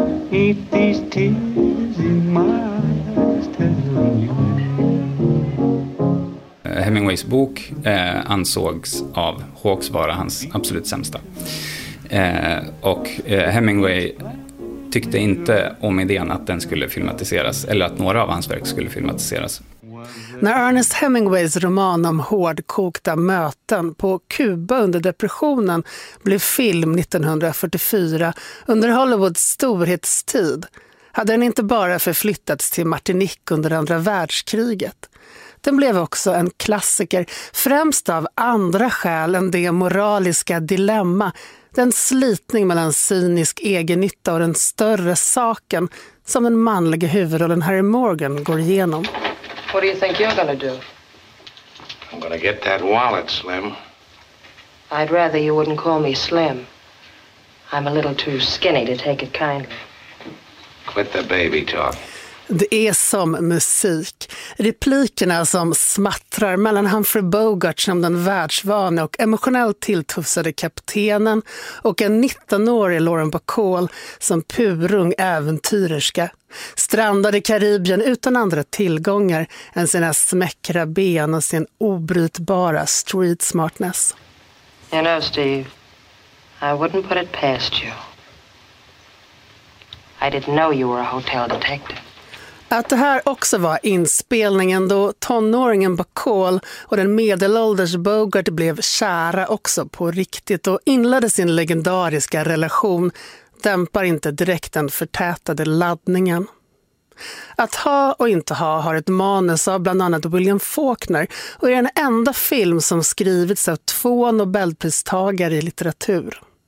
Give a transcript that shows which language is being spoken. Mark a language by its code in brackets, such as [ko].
[en] If these tears in my eyes tell you. [sv] Hemingways bok ansågs av Hawks vara hans absolut sämsta. Och Hemingway tyckte inte om idén att den skulle filmatiseras, eller att några av hans verk skulle filmatiseras. När Ernest Hemingways roman om hårdkokta möten på Kuba under depressionen blev film 1944 under Hollywoods storhetstid hade den inte bara förflyttats till Martinique under andra världskriget. Den blev också en klassiker, främst av andra skäl än det moraliska dilemma, den slitning mellan cynisk egennytta och den större saken som den manliga huvudrollen Harry Morgan går igenom. [en] What do you think you're gonna do? I'm gonna get that wallet, Slim. I'd rather you wouldn't call me Slim. I'm a little too skinny to take it kindly. Quit the baby talk. [sv] Det är som musik. Replikerna som smattrar mellan Humphrey Bogart som den världsvana och emotionellt tilltufsade kaptenen och en 19-årig Lauren Bacall som purung äventyrerska. Strandade i Karibien utan andra tillgångar än sina smäckra ben och sin obrytbara street smartness. [en] You know, Steve, I wouldn't put it past you. I didn't know you were a hotel detective. [sv] Att det här också var inspelningen då tonåringen Bacall och den medelålders Bogart blev kära också på riktigt och inledde sin legendariska relation dämpar inte direkt den förtätade laddningen. Att ha och inte ha har ett manus av bland annat William Faulkner och är den enda film som skrivits av två Nobelpristagare i litteratur.